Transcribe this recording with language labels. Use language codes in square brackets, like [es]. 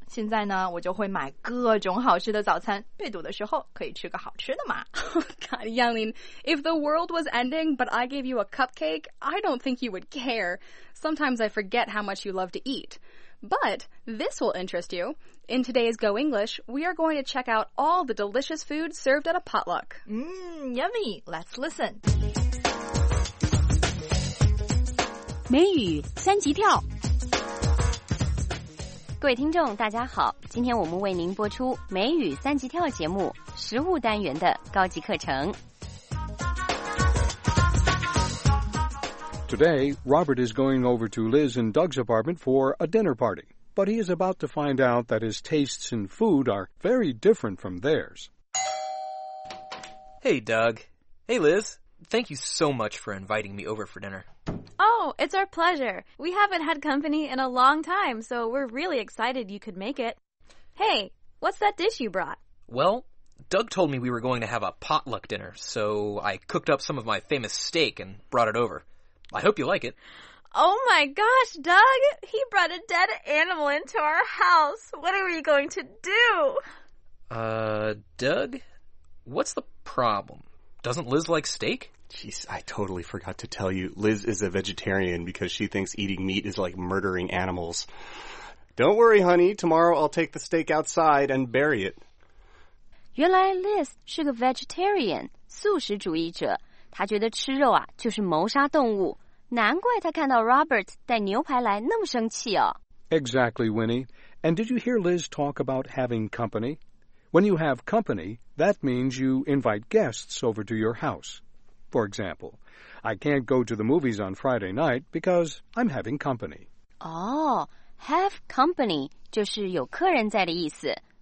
[zh] 现在呢，我就会买各种好吃的早餐，被堵的时候可以吃个好吃的嘛。 [en] God, Yanglin, if the world was ending but I gave you a cupcake, I don't think you would care. Sometimes I forget how much you love to eat. But this will interest you. In today's Go English, we are going to check out all the delicious food served at a potluck. Yummy! Let's listen. [zh] 美语三级跳。各位听众，大家好，今天我们为您播出美语三级跳节目食物单元的高级课程。 [en] Today, Robert is going over to Liz and Doug's apartment for a dinner party, but he is about to find out that his tastes in food are very different from theirs. Hey, Doug. Hey, Liz. Thank you so much for inviting me over for dinner. Oh, it's our pleasure. We haven't had company in a long time, so we're really excited you could make it. Hey, what's that dish you brought? Well, Doug told me we were going to have a potluck dinner, so I cooked up some of my famous steak and brought it over. I hope you like it. Oh my gosh, Doug! He brought a dead animal into our house. What are we going to do? Doug? What's the problem? Doesn't Liz like steak? Jeez, I totally forgot to tell you. Liz is a vegetarian because she thinks eating meat is like murdering animals. Don't worry, honey. Tomorrow I'll take the steak outside and bury it. [zh] 原来 Liz 是个 vegetarian, 素食主义者。他觉得吃肉啊就是谋杀动物，难怪他看到 Robert 带牛排来那么生气哦。 [en] Exactly, Winnie. And did you hear Liz talk about having company? When you have company, that means you invite guests over to your house. For example, I can't go to the movies on Friday night because I'm having company. [zh] Oh, have company 就是有客人在的意思。